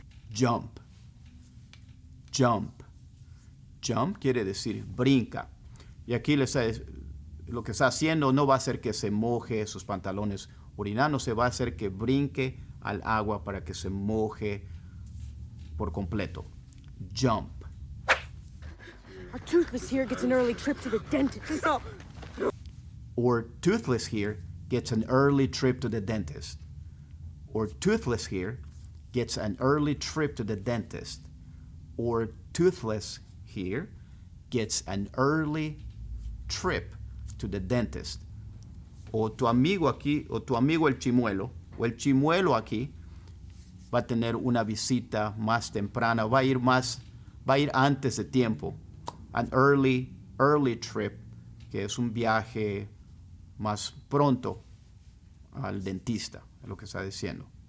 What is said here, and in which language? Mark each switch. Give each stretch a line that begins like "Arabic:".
English: Jump. Jump. Jump
Spanish: quiere decir brinca. Y aquí le está, lo que está haciendo no va a hacer que se moje sus pantalones orinando, se va a hacer que brinque al agua para que se moje por completo.
English: Jump. Our toothless here gets an early trip to the dentist. Or toothless here gets an early trip to the dentist. Or toothless here gets an early trip to the dentist. Or toothless here gets an early trip to the dentist.
Spanish: O tu amigo aquí, o tu amigo el chimuelo aquí va a tener una visita más temprana, va a ir antes de tiempo.
English: An early trip,
Spanish: que es un viaje más pronto al dentista, es lo que está diciendo.